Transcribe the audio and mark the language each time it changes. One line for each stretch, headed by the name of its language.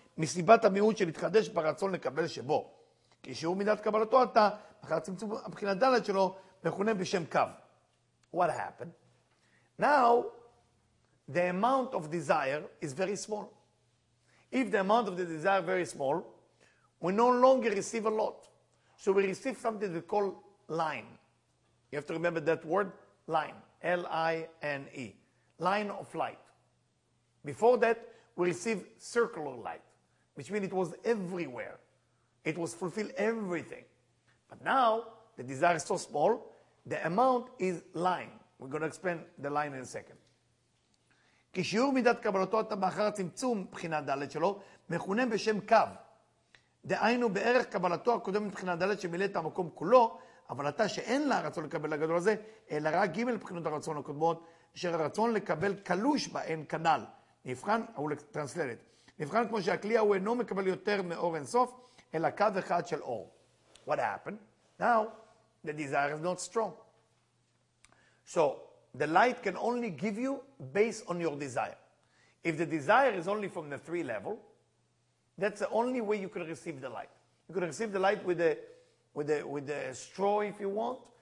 Hebrew: מסיבת המיעוט שמתחדש ברצון לקבל שבו. כשהוא מידת קבלתו אתה, אחר צמצום הבחינה דלת שלו, מכונה בשם קו.
English: What happened? Now, the amount of desire is very small. If the amount of the desire is very small, we no longer receive a lot. So we receive something we call line. You have to remember that word, line. L-I-N-E. Line of light. Before that, we receive circular light. Which means it was everywhere. It was fulfilled everything. But now, the desire is so small, the amount is line. We're going to explain the line in a second.
Hebrew: כשיעור מידת קבלתו אתה מאחר צמצום מבחינת דלת שלו, מכונה בשם קו. דהיינו בערך קבלתו הקודם מבחינת דלת שמילא את המקום כולו, אבל אתה שאין לה רצון לקבל הגדול הזה, אלא רק ג' מבחינות הרצון הקודמות, אשר הרצון לקבל קלוש בהן כנל. נבחן, הוא לטרנסלט את. נבחן כמו שהכלי הוא אינו מקבל יותר מאור אין סוף, אלא קו אחד של אור.
English: What happened? Now, the desire is not strong. So, the light can only give you based on your desire. If the desire is only from the three level, that's the only way you can receive the light. You can receive the light with a straw if you want,